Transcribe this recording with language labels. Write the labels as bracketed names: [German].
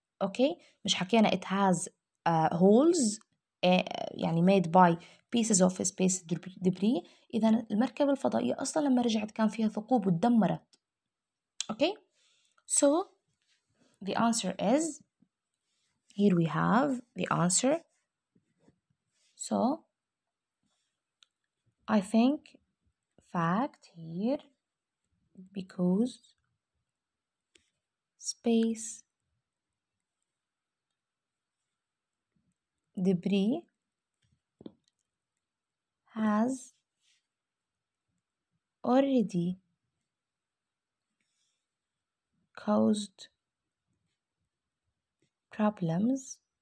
[English] Okay? مش حكينا it has holes يعني made by pieces of space debris. [Arabic] إذا المركبة الفضائية أصلا لما رجعت كان فيها ثقوب وتدمرت. [English] Okay? So the answer is here we have the answer. So I think fact here, because space debris has already caused problems.